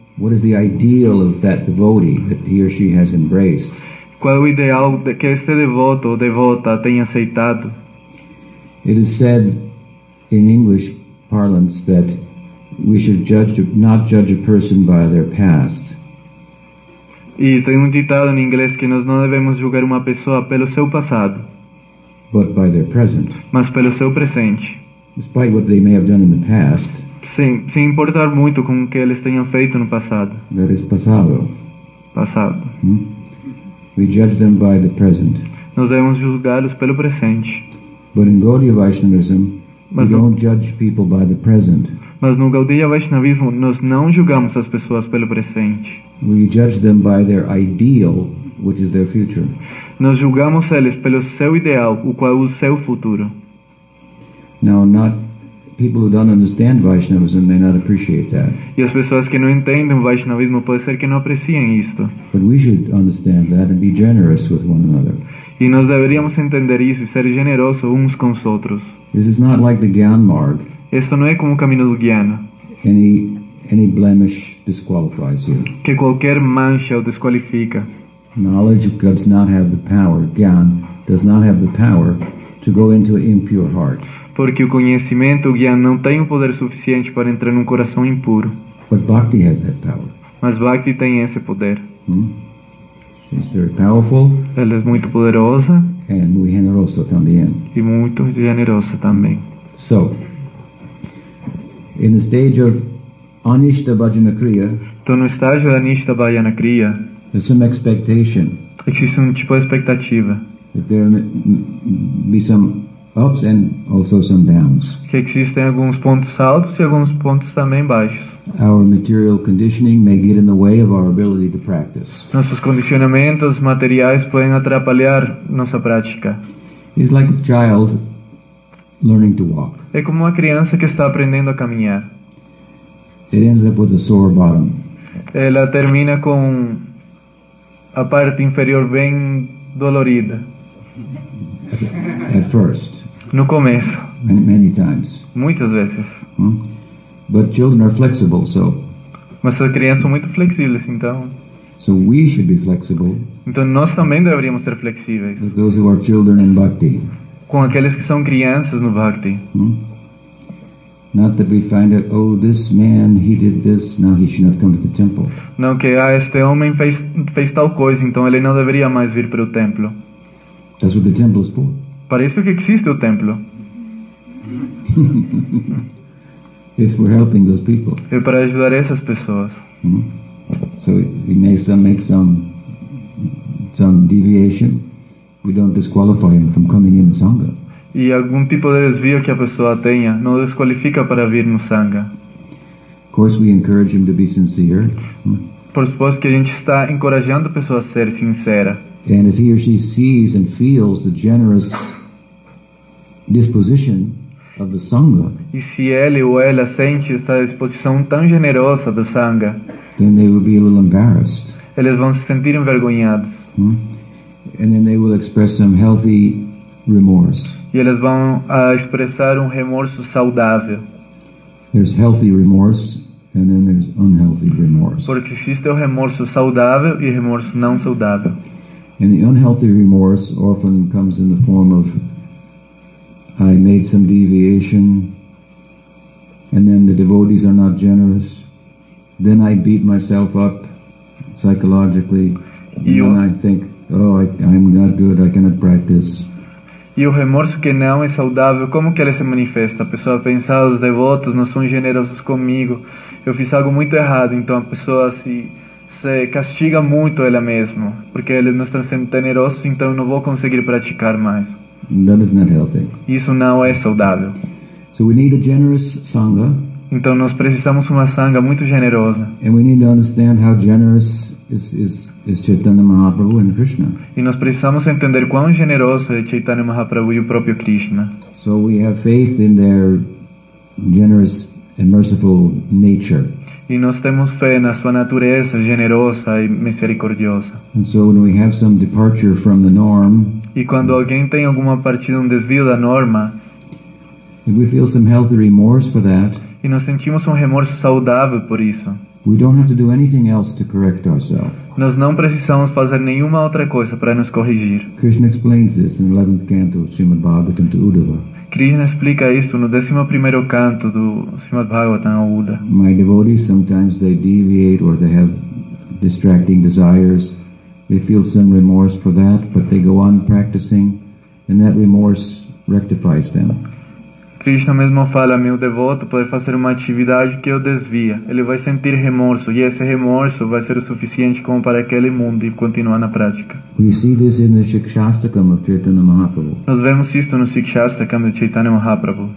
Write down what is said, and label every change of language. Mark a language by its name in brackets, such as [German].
[English] what is the ideal of that devotee that he or she has embraced? [Portuguese] Qual é o ideal que este devoto ou devota tenha aceitado? [English] It is said in English parlance that we should judge, not judge a person by their past. [Spanish] Y tengo un titulado en inglés que nos no debemos juzgar una persona [Portuguese] pelo seu [Spanish] pasado. [English] But by their present. [Portuguese] Mas pelo seu presente. [English] Despite what they may have done in the past. [Spanish] Sin importar mucho con que ellos tenían feito en el pasado. [English] That is pasado. [Spanish] Pasado. [English] We judge them by the present. [Spanish] Nos debemos juzgarlos pelo presente. [English] But in Gaudiya Vaishnavism, we don't judge people by the present. [Portuguese] Mas no Gaudiya Vaishnavismo nós não julgamos as pessoas pelo presente. [English] We judge them by their ideal, which is their future. [Portuguese] Nós julgamos eles pelo seu ideal, o qual é o seu futuro. [English] Now, not people who don't understand Vaishnavism may not appreciate that. [Portuguese] E as pessoas que não entendem Vaishnavismo pode ser que não apreciem isto. [English] But we should understand that and be generous with one another. [Portuguese] E nós deveríamos entender isso e ser generosos uns com os outros. [English] This is not like the Gyan Marg. [Portuguese] Isso não é como o caminho do Guiana. [English] Any blemish disqualifies you. [Portuguese] Que qualquer mancha o desqualifica. [English] Knowledge does not have the power. Gyan does not have the power to go into an impure heart. [Portuguese] Porque o conhecimento, o Gyan, não tem o poder suficiente para entrar num coração impuro. [English] But Bhakti has that power. [Portuguese] Mas Bhakti tem esse poder. [English] She's very powerful. [Portuguese] Ela é muito poderosa. [English] And [Spanish] muy generosa también. [Portuguese] E muito generosa também. [English] So, in the stage of Anishta Bhajana Kriya, [Portuguese] então, no estágio de Anishta Bhajana Kriya, [English] there's some expectation. [Portuguese] Existe tipo de expectativa. [English] That there may be some ups and also some downs. [Portuguese] Que existem alguns pontos altos e alguns pontos também baixos. [English] Our material conditioning may get in the way of our ability to practice. [Portuguese] Nossos condicionamentos materiais podem atrapalhar nossa prática. [English] It's like a child learning to walk. [Portuguese] É como uma criança que está aprendendo a caminhar. [English] It ends up with a sore bottom. [Portuguese] Ela termina com a parte inferior bem dolorida. [English] At first. [Portuguese] No começo. [English] Many times. [Portuguese] Muitas vezes. [English] But children are flexible, so. [Portuguese] Mas as crianças são muito flexíveis, então. [English] So we should be flexible. [Portuguese] Então nós também deveríamos ser flexíveis. [English] With those who are children in Bhakti. [Portuguese] Com aqueles que são crianças no Bhakti. [English] Not that we find out, oh, this man, he did this, now he should not come to the temple. [Portuguese] Não que este homem fez tal coisa, então ele não deveria mais vir para o templo. [English] That's what the temple is for. [Portuguese] Para isso que existe o templo. [English] It's for helping those people. [Portuguese] É para ajudar essas pessoas. [English] So we may make some deviation. We don't disqualify him from coming in the Sangha. [Portuguese] E algum tipo de desvio que a pessoa tenha não desqualifica para vir no Sangha. [English] Of course we encourage him to be sincere. [Portuguese] Por suposto que a gente está encorajando a pessoa a ser sincera. [English] And if he or she sees and feels the generous disposition of the Sangha, [Portuguese] e se ele ou ela sente essa disposição tão generosa do Sangha, [English] then they will be a little embarrassed. [Portuguese] Eles vão se sentir envergonhados. [English] And then they will express some healthy remorse. [Portuguese] E eles vão expressar remorso saudável. [English] There's healthy remorse and then there's unhealthy remorse. [Portuguese] Porque existe o remorso saudável e remorso não saudável. [English] And the unhealthy remorse often comes in the form of I made some deviation and then the devotees are not generous. Then I beat myself up psychologically and then I think, oh, I'm not good, I cannot practice. [Portuguese] E o remorso que não é saudável, como que ele se manifesta? A pessoa pensa, os devotos não são generosos comigo, eu fiz algo muito errado, então a pessoa se castiga muito ela mesma, porque eles não estão sendo generosos, então eu não vou conseguir praticar mais. [English] That is not healthy. [Portuguese] Isso não é saudável. [English] So we need a generous sangha. [Portuguese] Então nós precisamos uma sangha muito generosa. E [English] we need to understand how generous is Chaitanya Mahaprabhu and Krishna. [Portuguese] E nós precisamos entender quão generoso é Chaitanya Mahaprabhu e o próprio Krishna. [English] So we have faith in their generous and merciful nature. [Portuguese] E nós temos fé na sua natureza generosa e misericordiosa. [English] And so when we have some departure from the norm, [Portuguese] e quando alguém tem alguma partida, desvio da norma, [English] and we feel some healthy remorse for that, [Portuguese] e nós sentimos remorso saudável por isso, [English] we don't have to do anything else to correct ourselves. [Portuguese] Nós não precisamos fazer nenhuma outra coisa para nos corrigir. [English] Krishna explains this in 11th canto of Srimad Bhagavatam to Uddhava. [Portuguese] Krishna explica isso no 11º canto do Srimad Bhagavatam Uda. [English] My devotees, sometimes they deviate or they have distracting desires. They feel some remorse for that, but they go on practicing, and that remorse rectifies them. [Portuguese] Krishna mesmo fala, meu devoto pode fazer uma atividade que eu desvia. Ele vai sentir remorso, e esse remorso vai ser o suficiente como para que ele mude e continue na prática. [English] We see this in the Shikshastakam of Chaitanya Mahaprabhu. [Portuguese] Nós vemos isto no Shikshastakam de Chaitanya Mahaprabhu.